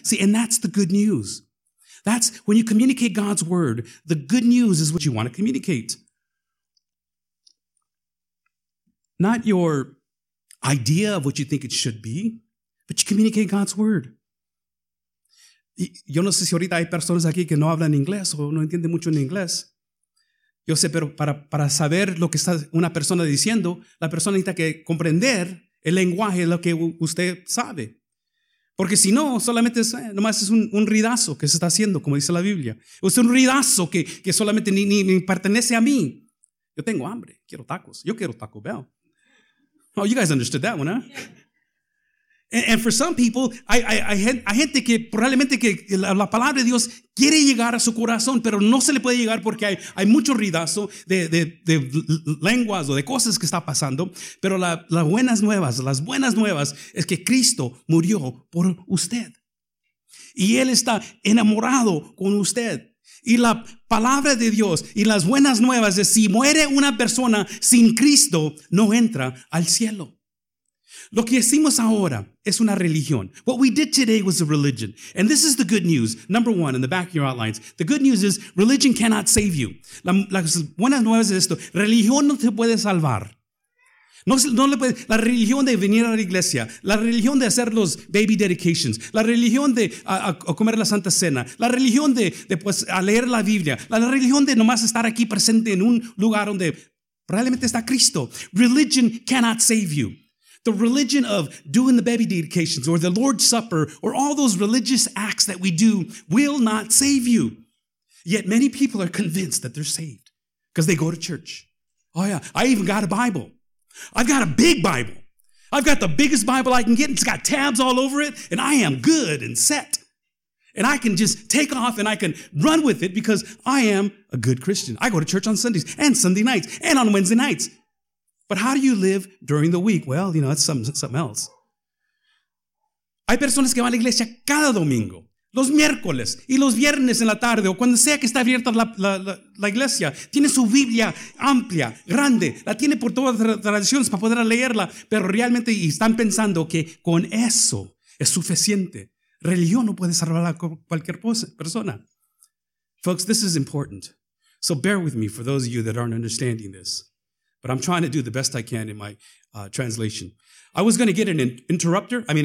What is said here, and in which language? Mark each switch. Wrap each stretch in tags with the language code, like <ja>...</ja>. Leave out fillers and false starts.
<en>See, and that's the good news. That's when you communicate God's word, the good news is what you want to communicate. Not your idea of what you think it should be, but you communicate God's word.</en> <es>Yo no sé si ahorita hay personas aquí que no hablan inglés o no entienden mucho en inglés. Yo sé, pero para saber lo que está una persona diciendo, la persona necesita que comprender el lenguaje de lo que usted sabe. Porque si no, solamente es, nomás es un ridazo que se está haciendo, como dice la Biblia. Es un ridazo que solamente ni pertenece a mí. Yo tengo hambre, quiero tacos. Yo quiero Taco Bell.</es> <en>Oh, you guys understood that one, huh? Yeah. And for some people,</en> <es>hay gente que probablemente que la palabra de Dios quiere llegar a su corazón, pero no se le puede llegar porque hay mucho ruidazo de lenguas o de cosas que está pasando. Pero las buenas nuevas es que Cristo murió por usted. Y Él está enamorado con usted. Y la palabra de Dios y las buenas nuevas de si muere una persona sin Cristo, no entra al cielo. Lo que hicimos ahora es una religión.</es> <en>What we did today was a religion. And this is the good news. Number one, in the back of your outlines. The good news is religion cannot save you.</en> <es>Las buenas nuevas es esto. Religión no te puede salvar. No le puede, la religión de venir a la iglesia, la religión de hacer los baby dedications, la religión de a comer la Santa Cena, la religión de pues, a leer la Biblia, la religión de nomás estar aquí presente en un lugar donde probablemente está Cristo.</es> <en>Religion cannot save you. The religion of doing the baby dedications or the Lord's Supper or all those religious acts that we do will not save you. Yet many people are convinced that they're saved because they go to church. Oh yeah, I even got a Bible. I've got a big Bible. I've got the biggest Bible I can get. It's got tabs all over it. And I am good and set. And I can just take off and I can run with it because I am a good Christian. I go to church on Sundays and Sunday nights and on Wednesday nights. But how do you live during the week? Well, you know, that's something else.</en> <es>Hay personas que van a la iglesia cada domingo, los miércoles y los viernes en la tarde o cuando sea que está abierta la iglesia. Tiene su Biblia amplia, grande. La tiene por todas las tradiciones para poder leerla. Pero realmente están pensando que con eso es suficiente. Religión no puede salvar a cualquier persona.</es> <en>Folks, this is important. So bear with me for those of you that aren't understanding this. But I'm trying to do the best I can in my translation. I was going to get an interpreter.</en>